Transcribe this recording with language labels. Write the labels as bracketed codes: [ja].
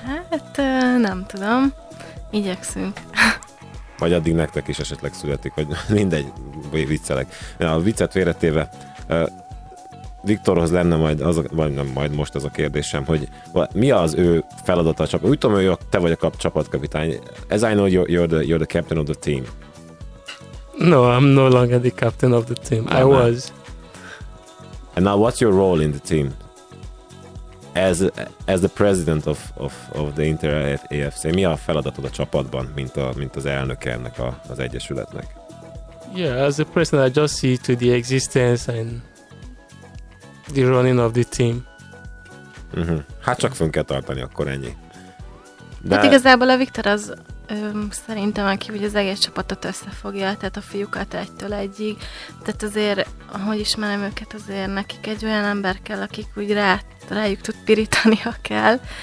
[hu] Hát nem tudom. Igyekszünk. Vagy addig nektek is esetleg születik, vagy mindegy, viccelek. A viccet félretéve, Viktorhoz lenne majd az, vagy nem majd most az a kérdésem, hogy mi az ő feladata a csapat? Úgy tudom, hogy te vagy a csapatkapitány. [en] As I know, you're the captain of the team. No, I'm no longer the captain of the team. I was. And now what's your role in the team? As the president of the Inter AFC, [hu] mi a feladatod a csapatban, mint az elnök ennek az egyesületnek? [en] Yeah, as the president, I just see to the existence and the running of the team. Uh-huh. [hu] Hát csak fönn kell tartani, akkor ennyi. De hát igazából a Viktor az szerintem, aki ugye az egész csapatot összefogja, tehát a fiúkat egytől egyig. Tehát azért, ahogy ismerem őket, azért nekik egy olyan ember kell, akik úgy rájuk tud pirítani, ha kell.